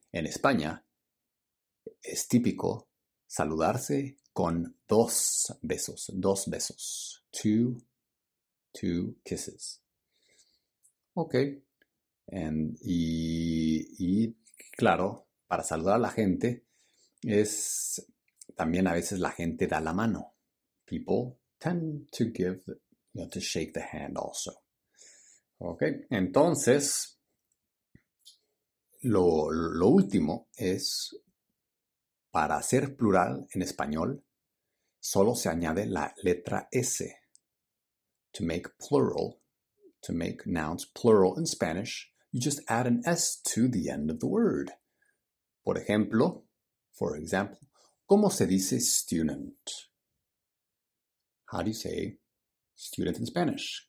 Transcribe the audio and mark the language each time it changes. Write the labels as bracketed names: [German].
[Spanish] En España, es típico saludarse con dos besos, [English] two kisses. [Spanish] Okay. Y claro, para saludar a la gente, es también a veces la gente da la mano. [English] People tend to give, to shake the hand also. Okay. [Spanish] Entonces, lo último es, para ser plural en español, solo se añade la letra S. [English] To make nouns plural in Spanish, you just add an S to the end of the word. For example, [Spanish] ¿cómo se dice [English] student? How do you say student in Spanish?